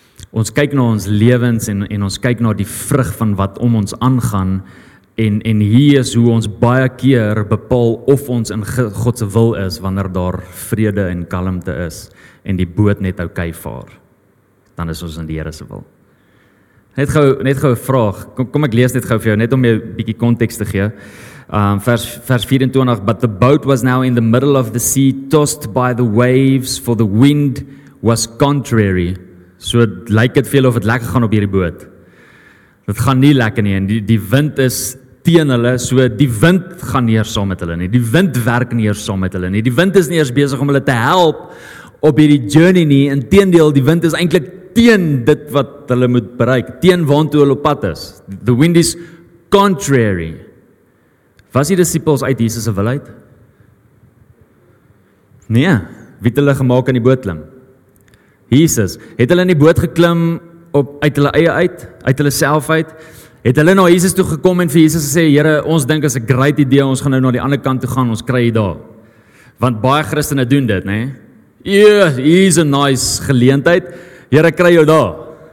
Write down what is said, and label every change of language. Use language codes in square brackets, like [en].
[af] Ons kyk na ons lewens en ons kyk na die vrug van wat om ons aangaan en hier is hoe ons baie keer bepaal of ons in God se wil is wanneer daar vrede en kalmte is en die boot net okay vaar. Dan is ons in die Here se wil. Net gou 'n vraag. Kom ek lees net gou vir jou net om jou 'n bietjie konteks te gee. [en] Vers 24, but the boat was now in the middle of the sea tossed by the waves for the wind was contrary. [af] So het lyk het veel of het lekker gaan op hierdie boot. Het gaan nie lekker nie en die wind is teen hulle, so die wind gaan nie eers saam met hulle nie. Die wind werk nie eers saam met hulle nie. Die wind is nie eers besig om hulle te help op hierdie journey nie. Inteendeel, die wind is eintlik teen dit wat hulle moet bereik, teen waartoe hulle op pad is. [en] The wind is contrary. [af] Was die disciples uit Jesus se wil uit? Nee, wie het hulle gemaak in die boot klim? Jesus, het hulle in die boot geklim uit hulle eie uit hulle self uit? Het hulle na Jesus toe gekom en vir Jesus gesê, Here, ons dink is 'n great idee, ons gaan nou na die ander kant toe gaan, ons kry dit daar. Want baie Christene doen dit, nê? [en] Here's a nice [af] geleentheid. Here, kry jou daar.